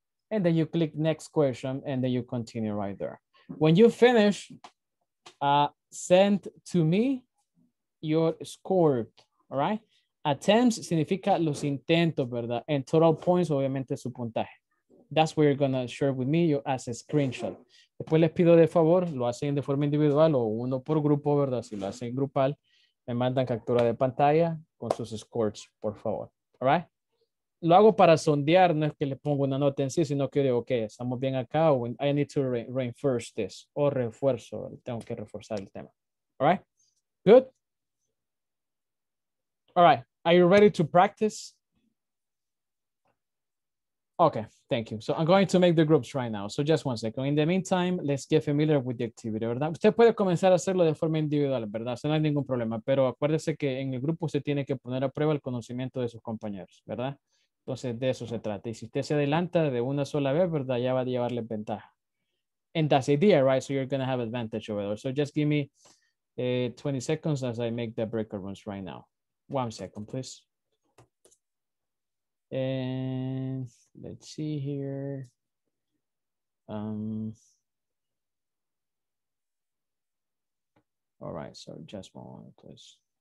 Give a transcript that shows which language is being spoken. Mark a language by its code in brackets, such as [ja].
[en] And then you click next question, and then you continue right there. When you finish, send to me your score, all right? [es] Attempts significa los intentos, ¿verdad? [en] And total points, [es] obviamente, su puntaje. [en] That's where you're going to share with me as a screenshot. [es] Después les pido de favor, lo hacen de forma individual o uno por grupo, ¿verdad? Si lo hacen grupal, me mandan captura de pantalla con sus scores, por favor. All right? Lo hago para sondear, no es que le pongo una nota en sí, sino que digo, ok, estamos bien acá, o [en] I need to reinforce this, [es] o refuerzo, tengo que reforzar el tema. All right? Good? [en] All right, are you ready to practice? Okay, thank you. So I'm going to make the groups right now. So just one second. In the meantime, let's get familiar with the activity, ¿verdad? [es] Usted puede comenzar a hacerlo de forma individual, ¿verdad? So no hay ningún problema. Pero acuérdese que en el grupo usted tiene que poner a prueba el conocimiento de sus compañeros, ¿verdad? Entonces de eso se trata. Y si usted se adelanta de una sola vez, ¿verdad? Ya va a llevarle ventaja. [en] And that's the idea, right? So you're going to have advantage over there. So just give me 20 seconds as I make the breakout rooms right now. 1 second, please. And let's see here. All right, so just one moment, please.